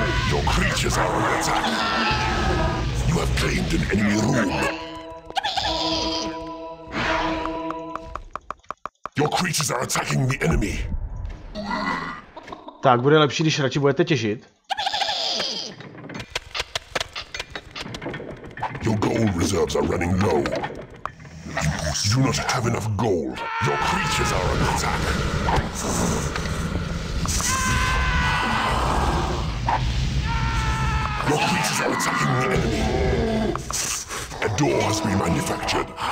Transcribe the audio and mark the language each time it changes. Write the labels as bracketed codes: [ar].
[en] Your creatures are under attack. You have claimed an enemy room. Your creatures are attacking the enemy. [cs] Tak bude lepší, když radši budete těžit. [en] Your gold reserves are running low. You do not have enough gold. Your creatures are under attack. Your creatures are attacking the enemy. A door has been manufactured.